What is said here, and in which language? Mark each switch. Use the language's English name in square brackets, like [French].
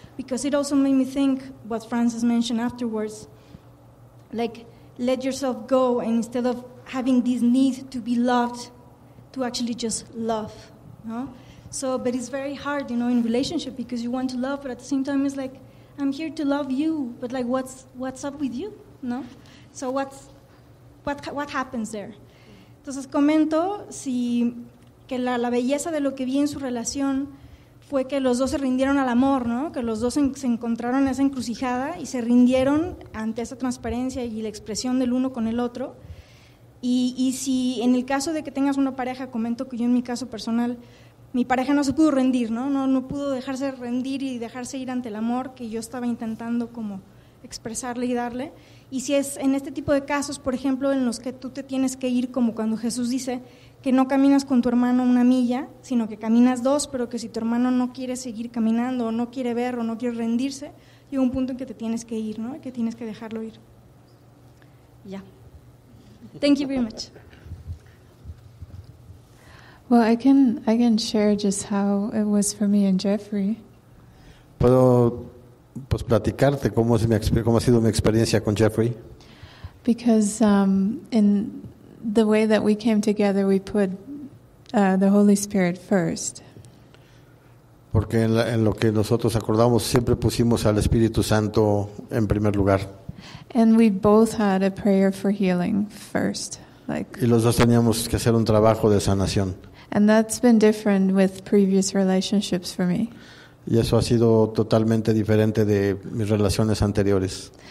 [English] Because it also made me think what Francis mentioned afterwards, like, let yourself go, and instead of having this need to be loved, to actually just love, you know? So, but it's very hard, you know, in relationship because you want to love, but at the same time, it's like, I'm here to love you, but like, what's up with you, no? So what happens there? [Spanish] Entonces comento que la belleza de lo que vi en su relación fue que los dos se rindieron al amor, ¿no? Que los dos se encontraron en esa encrucijada y se rindieron ante esa transparencia y la expresión del uno con el otro. Y si en el caso de que tengas una pareja, comento que yo en mi caso personal, mi pareja no se pudo rendir, ¿no? No pudo dejarse rendir y dejarse ir ante el amor que yo estaba intentando como expresarle y darle. Y si es en este tipo de casos, por ejemplo, en los que tú te tienes que ir, como cuando Jesús dice que no caminas con tu hermano una milla, sino que caminas dos, pero que si tu hermano no quiere seguir caminando o no quiere ver o no quiere rendirse, llega un punto en que te tienes que ir, ¿no? Que tienes que dejarlo ir. Ya. [English] Thank you very much. Well, I can share just how it was for me and Jeffrey. [Spanish] Puedo pues platicarte cómo ha sido mi experiencia con Jeffrey. [English] Because in the way that we came together, we put the Holy Spirit first. [Spanish] Porque en lo que nosotros acordamos siempre pusimos al Espíritu Santo en primer lugar. [English] And we both had a prayer for healing first, like. [Spanish] Y los dos teníamos que hacer un trabajo de sanación. [English] And that's been different with previous relationships for me. [Spanish] Y eso ha sido totalmente diferente de mis relaciones anteriores.